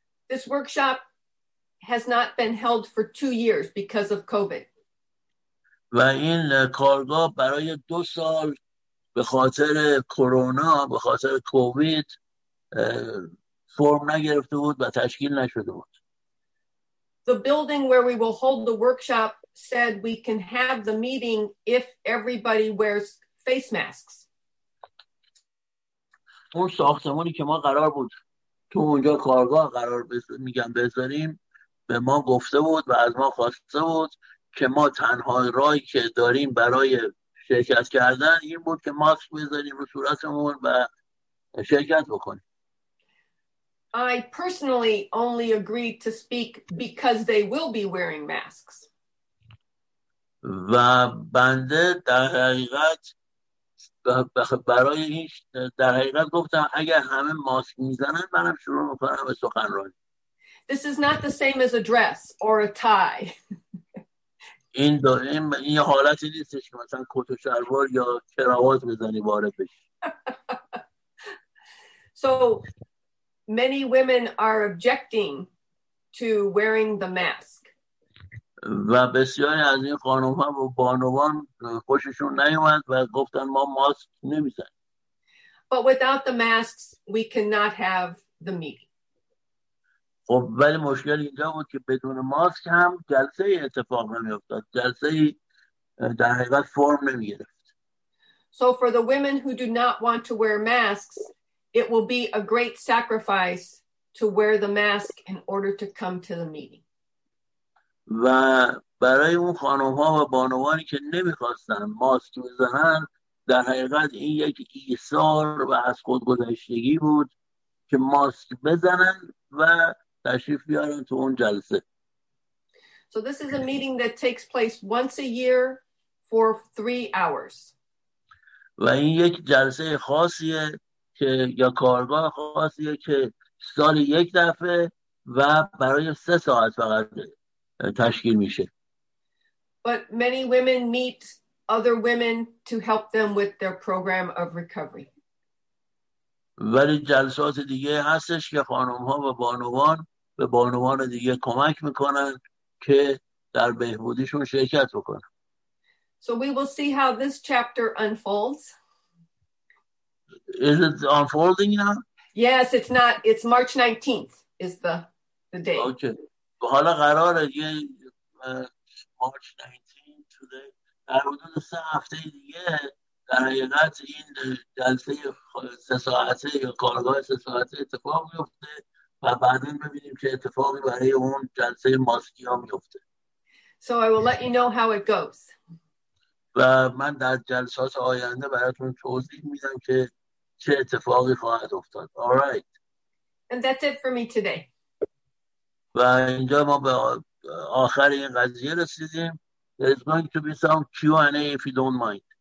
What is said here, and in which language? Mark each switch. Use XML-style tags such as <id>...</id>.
<en>This workshop has not been held for 2 years because of COVID.</en> <fa>و این کارگاه برای 2 سال به خاطر کرونا، به خاطر کووید فرم نگرفته بود و تشکیل نشده بود.</fa> <en>The building where we will hold the workshop said we can have the meeting if everybody wears face masks.</en> <fa>اون ساختمانی که ما قرار بود تو اونجا کارگاه قرار میگم بذاریم به ما گفته بود و از ما خواسته بود که ما تنها رای که داریم برای شرکت کردن این بود که ماسک بذاریم رو صورتمون و شرکت بکنیم.</fa> <en>I personally only agreed to speak because they will be wearing masks.</en> <fa>و بنده در حقیقت برای این در حقیقت گفتم اگر همه ماسک میزنن منم شروع میکنم به سخنرانی.</fa> <en>This is not the same as a dress or a tie.</en> <fa>این داریم این حالتی نیستش که مثلا کت و شلوار یا کراوات بزنی وارد بشی.</fa> <en>So many women are objecting to wearing the mask.</en> <fa>و بسیاری از این خانم ها و بانوان خوششون نیومد و گفتن ما ماسک نمیزنیم.</fa> <en>But without the masks we cannot have the meeting.</en> <fa>خب ولی مشکل اینجا بود که بدون ماسک هم جلسه ای اتفاق نمی افتاد. جلسه ای در حقیقت فرم نمی گرفت.</fa> <en>So for the women who do not want to wear masks, it will be a great sacrifice to wear the mask in order to come to the meeting.</en> <fa>و برای اون خانم ها و بانوانی که نمی خواستن ماسک بزنن در حقیقت این یک ایثار و از خودگذشتگی بود که ماسک بزنن و تشریف بیارن تو اون جلسه.</fa> <en>So this is a meeting that takes place once a year for 3 hours.</en> <fa>و این یک جلسه خاصیه که یا کارگاه خاصیه که سال یک دفعه و برای 3 ساعت فقط تشکیل میشه.</fa> <en>But many women meet other women to help them with their program of recovery.</en> <fa>ولی جلسات دیگه هستش که خانم ها و بانوان به بانوان دیگه کمک میکنن که در بهبودیشون شرکت بکنن.</fa> <en>So we will see how this chapter unfolds. Is it unfolding now? Yes, it's not. It's March 19th is the day. Okay.</en> <fa>حالا قراره یه</fa> <en>March 19th today.</en> <fa>در حدود 3 هفته دیگه در حقیقت این جلسه 3 ساعته یا کارگاه 3 ساعته اتفاق میفته و بعدین ببینیم چه اتفاقی برای اون جلسه ماسکی ها میفته.</fa> <en>So I will let you know how it goes.</en> <fa>و من در جلسات آینده براتون توضیح میدم که چه اتفاقی خواهد افتاد.</fa> <en>All right. And that's it for me today.</en> <fa>و اینجا ما به آخر این قضیه رسیدیم.</fa> <en>There's going to be some Q&A if you don't mind.</en>